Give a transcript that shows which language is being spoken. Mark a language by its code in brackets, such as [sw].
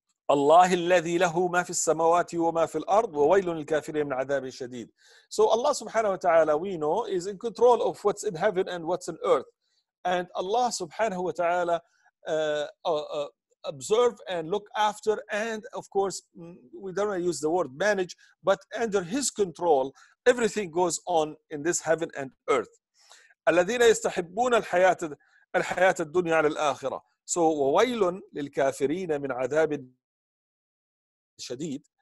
[ar] Allah الذي له ما في السماوات وما في الأرض وويل للكافرين من عذاب شديد. [en] So Allah subhanahu wa ta'ala, we know, is in control of what's in heaven and what's in earth. And Allah subhanahu wa ta'ala observe and look after, and of course, we don't really use the word manage, but under his control, everything goes on in this heaven and earth. [ar] الذين يستحبون الحياة الحياة الدنيا على الآخرة. So وويل للكافرين من عذاب شديد.